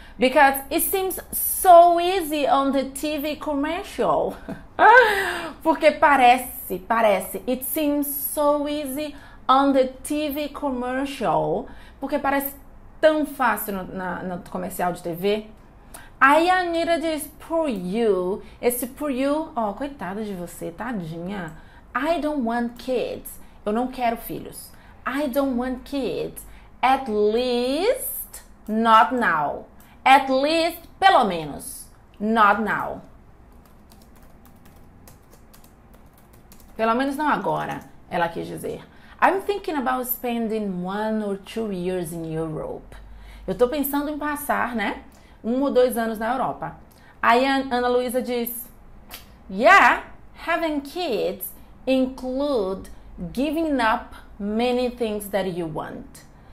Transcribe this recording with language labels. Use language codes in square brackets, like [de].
[en] Because it seems so easy on the TV commercial. [pt] Porque parece. [en] It seems so easy on the TV commercial. [pt] Porque parece tão fácil no comercial de TV. Aí a Anira diz, [en] poor you. [pt] Esse poor you, ó, coitada de você, tadinha. [en] I don't want kids. [pt] Eu não quero filhos. [en] I don't want kids. At least not now. At least, [pt] pelo menos, [en] not now. [pt] Pelo menos não agora, ela quis dizer. [en] I'm thinking about spending 1 or 2 years in Europe. [pt] Eu tô pensando em passar, né? 1 ou 2 anos na Europa. Aí a Ana Luísa diz: [en] Yeah, having kids include giving up many things that you want.